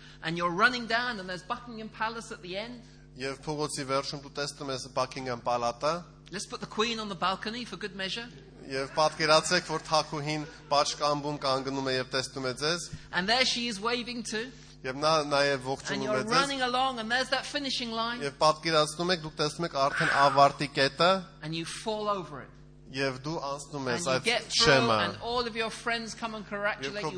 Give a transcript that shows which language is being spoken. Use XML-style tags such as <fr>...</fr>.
<en>And you're running down and there's Buckingham Palace at the end.</en> <hy>Եվ փողոցի վերջում դու տեսնում ես Buckingham Palace-ը.</hy> <en>Let's put the Queen on the balcony for good measure.</en> <hy>Եվ պատկերացեք, որ Թագուհին պաշկամբում կանգնում է եւ տեսնում է ձեզ.</hy> <en>And there she is waving to. And you're running along, and there's that finishing line. And you fall over it. And you get through, and all of your friends come and congratulate you.</en>